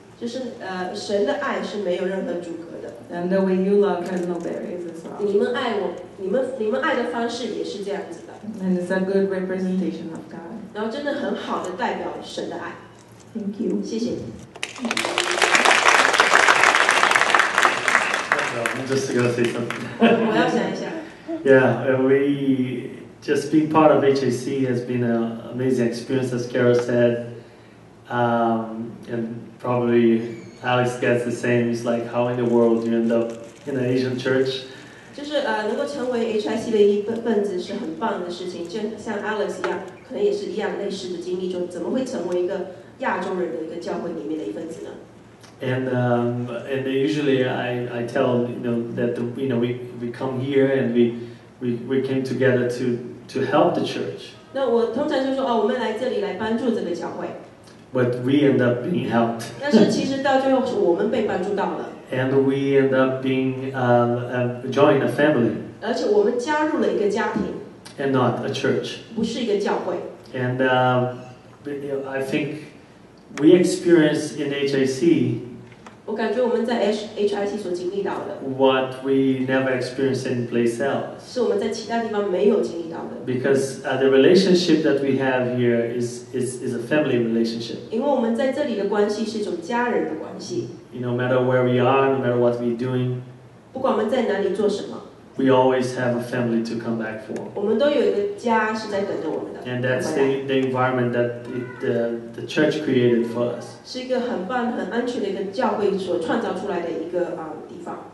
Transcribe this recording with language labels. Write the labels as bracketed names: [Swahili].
[Chinese] 就是神的爱是没有任何阻隔的。 [English] And the way you love has no barriers as well. [Chinese] 你们爱我，你们爱的方式也是这样子的。 [English] And it's a good representation of God. [Chinese] 然后真的很好的代表神的爱。 [English] Thank you. [Chinese] 谢谢。 [English] I'm just gonna say something. [Chinese] 我要想一下。 [English] Yeah, we. Just being part of HAC has been an amazing experience, as Carol said. And probably Alex gets the same. It's like, how in the world you end up in an Asian church? [Chinese] 就是能够成为 HIC 的一份子是很棒的事情。就像 Alex 一样，可能也是一样类似的经历中，怎么会成为一个亚洲人的一个教会里面的一份子呢？ [English] And usually I tell you know that the, you know we come here and we came together to help the church. [Chinese] 那我通常就说哦，我们来这里来帮助这个教会。 [English] But we end up being helped. [Chinese] 但是其实到最后是我们被帮助到了。 [English] And we end up being joining a family. [Chinese] 而且我们加入了一个家庭。 [English] And not a church. [Chinese] 不是一个教会。 [English] And I think we experience in HAC. [Chinese] 我感觉我们在 HIC 所经历到的 [English] ，What we never experienced in place else， [Chinese] 是我们在其他地方没有经历到的。 [English] Because the relationship that we have here is a family relationship。 [Chinese] 因为我们在这里的关系是一种家人的关系。 [English] You know, no matter where we are, no matter what we're doing， [Chinese] 不管我们在哪里做什么 [English] ，We always have a family to come back for。 [Chinese] 我们都有一个家是在等着我们的。 [English] And that's the environment that the church created for us. [Chinese] 是一个很棒、很安全的一个教会所创造出来的一个地方。